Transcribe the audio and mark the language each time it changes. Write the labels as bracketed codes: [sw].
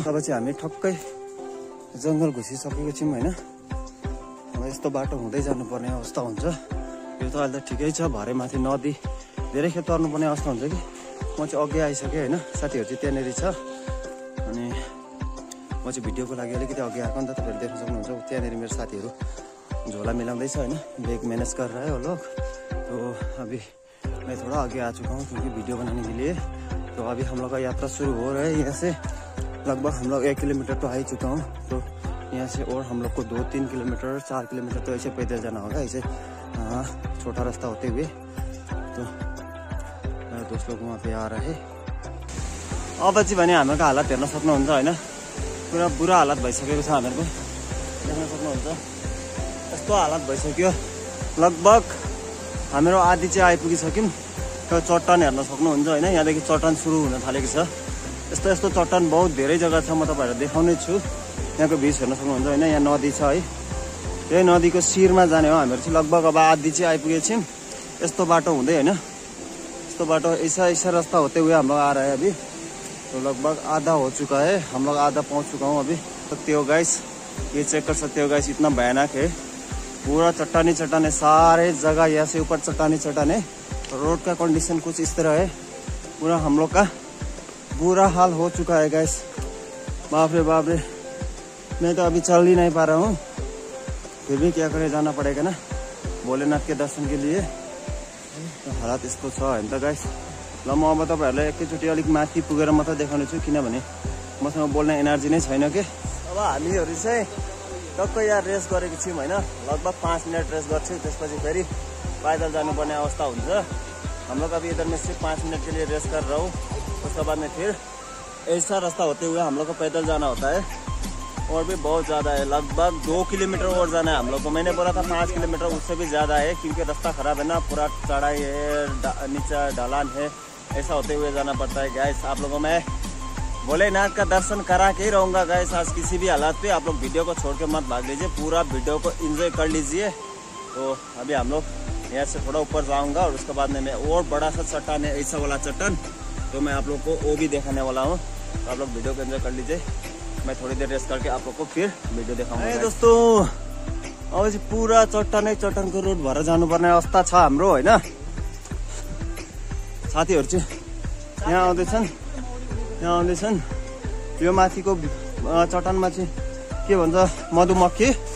[ne] अब चाहिँ हामी ठक्कै जङ्गल घुसिसकेको छौँ होइन, अब यस्तो बाटो हुँदै जानुपर्ने अवस्था हुन्छ, यो त अहिले त ठिकै छ, भरे माथि नदी धेरै खेप तर्नुपर्ने अवस्था हुन्छ कि, म चाहिँ अघि आइसकेँ होइन, साथीहरू चाहिँ त्यहाँनिर छ, अनि म चाहिँ भिडियोको लागि अलिकति अघि आएको नि त, तपाईँहरू देख्न सक्नुहुन्छ त्यहाँनिर मेरो साथीहरू झोला मिलाउँदैछ होइन, ब्याग म्यानेज गरेर आयो हो लोक। [hi] तो अभी मैं थोड़ा अगे आ चुका हूँ क्योंकि वीडियो बनाने के लिए, तो अभी हम लोग का यात्रा शुरू हो रहा है यहाँ से, लगभग हम लोग 1 किलोमीटर तो आ ही चुका हूँ, तो यहाँ से और हम लोग को 2-3 किलोमीटर 4 किलोमीटर तो ऐसे पैदल जाना होगा, ऐसे छोटा रास्ता होते हुए। तो मेरे दोस्त लोग वहाँ पे आ रहे है, [ne] अब जी भाई हमारे का हालत हेर्न सक्नुहुन्छ होइन, पूरा बुरा हालत भइसकेको छ, हमीर को देख्न सक्नुहुन्छ यस्तो हालत भइसक्यो, लगभग हाम्रो आदि चाहिँ आइपुगिसक्यौँ, त्यो चट्टान हेर्न सक्नुहुन्छ होइन, यहाँदेखि चट्टान सुरु हुन थालेको छ, यस्तो यस्तो चट्टान बहुत धेरै जग्गा छ, म तपाईँहरूलाई देखाउने छु, यहाँको भ्युज हेर्न सक्नुहुन्छ होइन, यहाँ नदी छ है, यही नदीको शिरमा जाने हो हामीहरू चाहिँ, लगभग अब आदि चाहिँ आइपुगेको छौँ, यस्तो बाटो हुँदै होइन, यस्तो बाटो [hi] यसा यसा रास्ता होते हुए हाम्रो आ रहा है अभी, तो लगभग आधा हो चुका है, हम लोग आधा पहुँच चुका हूँ अभी। सत्य हो गाइस, ये चेक कर सकते हो गाइस, इतना भयानक है, पूरा चट्टानी चट्टाने सारे जगह, यहाँ से ऊपर चट्टानी चट्टाने, रोड का कंडीशन कुछ इस तरह है, पूरा हम लोग का बुरा हाल हो चुका है गाइस, बाप रे बाप रे, मैं तो अभी चल ही नहीं पा रहा हूँ, फिर भी क्या करें, जाना पड़ेगा ना भोलेनाथ के दर्शन के लिए, तो हालात इसको है तो गाइस। [ne] ल म अब तपाईँहरूलाई एकैचोटि अलिक माथि पुगेर मात्रै देखाउने छु, किनभने मसँग बोल्ने एनर्जी नै छैन कि। अब हामीहरू चाहिँ टक्कै यहाँ रेस्ट गरेको छौँ होइन, लगभग 5 मिनट रेस्ट गर्छु, त्यसपछि फेरि पैदल जानुपर्ने अवस्था हुन्छ, हाम्रो अब यदरमा सिर्फ 5 मिनटको लिए रेस्ट गरेर हौ, [hi] उसको बादमा फेरि यसा रास्ता होते हुए हाम्रो पैदल जाना होता है, और भी बहुत ज़्यादा है, लगभग 2 किलोमीटर और जाना है हम लोग को, मैंने बोला था 5 किलोमीटर उससे भी ज़्यादा है, क्योंकि रास्ता ख़राब है ना, पूरा चढ़ाई है नीचे ढलान है, ऐसा होते हुए जाना पड़ता है गाइस। आप लोगों मैं भोलेनाथ का दर्शन करा के ही रहूँगा गाइस, आज किसी भी हालात पे आप लोग वीडियो को छोड़ के मत भाग लीजिए, पूरा वीडियो को इन्जॉय कर लीजिए। तो अभी हम लोग यहाँ से थोड़ा ऊपर जाऊँगा, और उसके बाद में मैं और बड़ा सा चट्टान है ऐसा वाला चट्टान, तो मैं आप लोग को वो भी दिखाने वाला हूँ, तो आप लोग वीडियो को इन्जॉय कर लीजिए, मैं थोड़ी देर रेस्ट करके आप लोग को फिर वीडियो दिखाऊंगा। [ne] दोस्तों अब पूरा चट्टानै चट्टानको रोड भएर जानुपर्ने अवस्था छ हाम्रो होइन, साथीहरू चाहिँ यहाँ आउँदैछन् यहाँ आउँदैछन्, यो माथिको चट्टानमा चाहिँ के भन्छ मधुमक्खी,